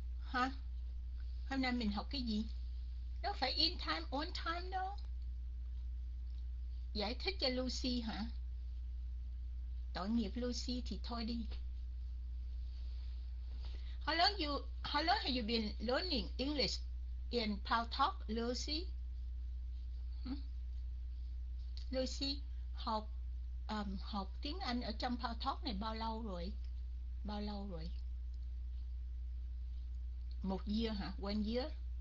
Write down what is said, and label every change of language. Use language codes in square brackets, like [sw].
[vi] Hả? Hôm nay mình học cái gì? Đâu phải in time, on time đâu. Giải thích cho Lucy hả? Tội nghiệp Lucy thì thôi đi. [en] How long have you been learning English in Pal Talk, Lucy? [vi] Lucy, học tiếng Anh ở trong Pal Talk này bao lâu rồi? Bao lâu rồi? Một year hả? [en] One year?